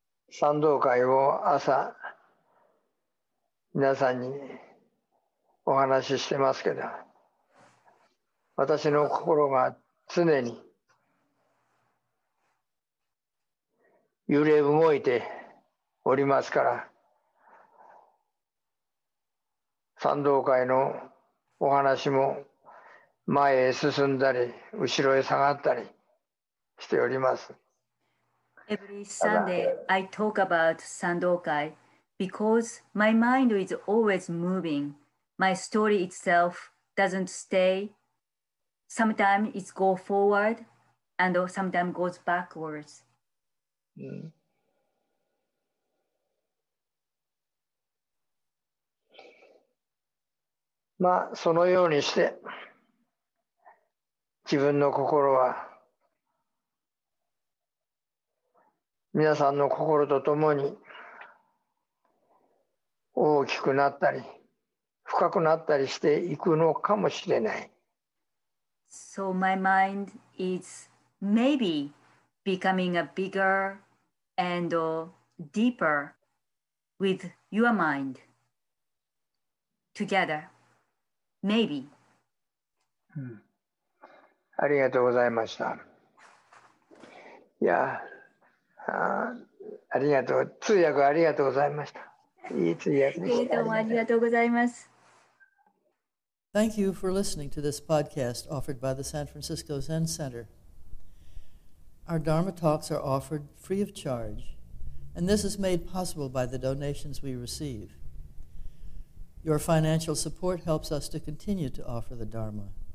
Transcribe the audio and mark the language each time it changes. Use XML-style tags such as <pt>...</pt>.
<ja>参道会を朝皆さんにお話ししてますけど、私の心が常に揺れ動いておりますから、参道会のお話も前へ進んだり後ろへ下がったりしております。</ja> <en>Every Sunday, I talk about Sandokai because my mind is always moving. My story itself doesn't stay. Sometimes it goes forward and sometimes goes backwards.</en> <ja>まあ、そのようにして自分の心は皆さんの心とともに大きくなったり深くなったりしていくのかもしれない。</ja> <en>So my mind is maybe becoming a bigger and deeper with your mind together. Maybe.</en> <ja>ありがとうございました。いや。ありがとう、通訳ありがとうございました。いい通訳でした。どうもありがとうございます。</ja> <en>Thank you for listening to this podcast offered by the San Francisco Zen Center. Our Dharma talks are offered free of charge, and this is made possible by the donations we receive. Your financial support helps us to continue to offer the Dharma.</en>